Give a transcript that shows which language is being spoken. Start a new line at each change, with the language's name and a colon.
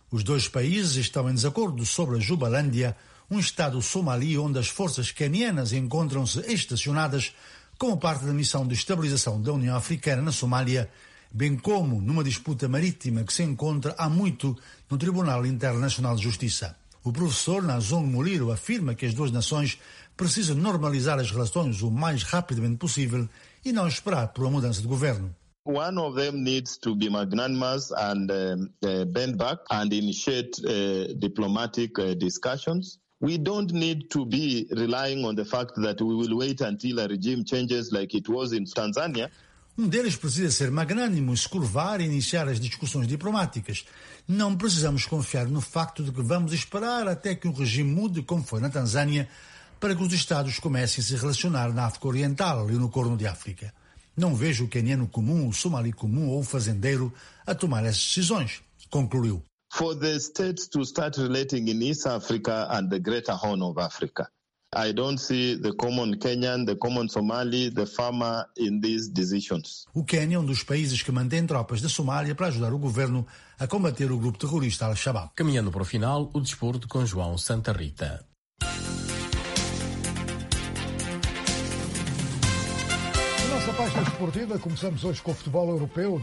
Portuguese: Os dois países estão em desacordo sobre a Jubalândia, um estado somali onde as forças quenianas encontram-se estacionadas como parte da missão de estabilização da União Africana na Somália, bem como numa disputa marítima que se encontra há muito no Tribunal Internacional de Justiça. O professor Nazong Muliro afirma que as duas nações precisam normalizar as relações o mais rapidamente possível e não esperar por uma mudança de governo.
English: One of them needs to be magnanimous and bend back and initiate diplomatic discussions. We don't need to be relying on the fact that we will wait until a regime changes like it was in Tanzania.
Portuguese: Um deles precisa ser magnânimo, se curvar e iniciar as discussões diplomáticas. Não precisamos confiar no facto de que vamos esperar até que o regime mude, como foi na Tanzânia, para que os Estados comecem a se relacionar na África Oriental e no Corno de África. Não vejo o queniano comum, o somali comum ou o fazendeiro a tomar essas decisões, concluiu.
English: For the states to start relating in East Africa and the Greater Horn of Africa, I don't see the common Kenyan, the common Somali, the farmer in these decisions.
Portuguese: O Quênia é um dos países que mantém tropas da Somália para ajudar o governo a combater o grupo terrorista Al-Shabaab. Caminhando para o final, o desporto com João Santa Rita. Nossa página esportiva, começamos hoje com o futebol europeu.